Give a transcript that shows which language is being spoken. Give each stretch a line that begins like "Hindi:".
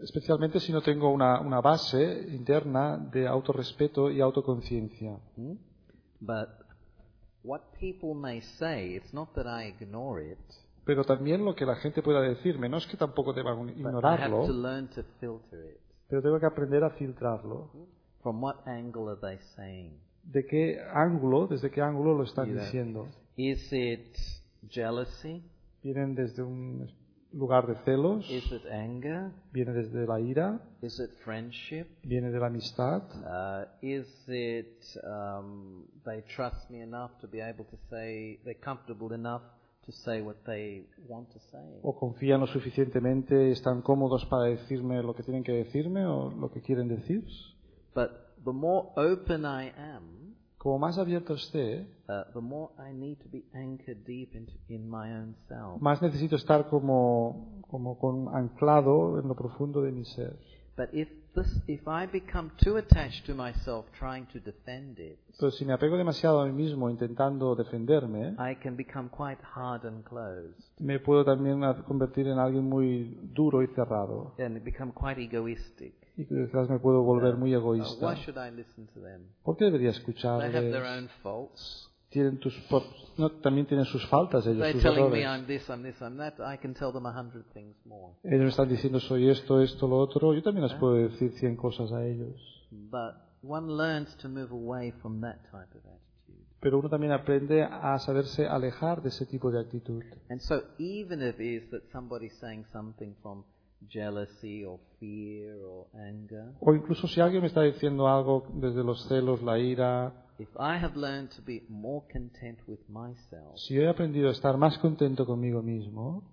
Spanish: Especialmente si no tengo una base interna de autorrespeto y autoconciencia.
English: But what people may say, it's not that I ignore it.
Spanish: Pero también lo que la gente pueda decirme, no es que tampoco deba ignorarlo.
English: But I have to learn to filter it.
Spanish: Pero tengo que aprender a filtrarlo.
English: From what angle are they saying?
Spanish: ¿De qué ángulo, desde qué ángulo lo están diciendo?
English: Is it jealousy?
Spanish: ¿Vienen desde un lugar de celos?
English: Is it anger?
Spanish: ¿Viene desde la ira?
English: Is it friendship?
Spanish: ¿Viene de la amistad?
English: They trust me enough to be able to say they're comfortable enough to say what they want to say?
Spanish: ¿O confían lo suficientemente, están cómodos para decirme lo que tienen que decirme o lo que quieren decir?
English: But the more open I am,
Spanish: como más abierto esté,
English: the more I need to be anchored deep in my own self.
Spanish: Más necesito estar como con anclado en lo profundo de mi ser.
English: But if I become too attached to myself trying to defend it,
Spanish: pero si me apego demasiado a mí mismo intentando defenderme,
English: I can become quite hard and closed.
Spanish: Me puedo también convertir en alguien muy duro y cerrado.
English: And become quite egoistic.
Spanish: Y quizás me puedo volver muy egoísta.
English: Why should I listen to them?
Spanish: ¿Por qué debería escucharles?
English: They have their own faults.
Spanish: Tienen tus no, también tienen sus faltas ellos,
English: they're
Spanish: sus
English: telling
Spanish: errores.
English: Me I'm this, I'm this, I'm that. I can tell them 100 things more.
Spanish: Ellos me están diciendo soy esto, esto, lo otro. Yo también les puedo decir 100 cosas a ellos.
English: But one learns to move away from that type of attitude.
Spanish: Pero uno también aprende a saberse alejar de ese tipo de actitud.
English: And so even if it is that somebody's saying something from jealousy or fear or anger.
Spanish: O incluso si alguien me está diciendo algo desde los celos, la ira.
English: If I have learned to be more content with myself. Si he aprendido a estar más contento conmigo mismo.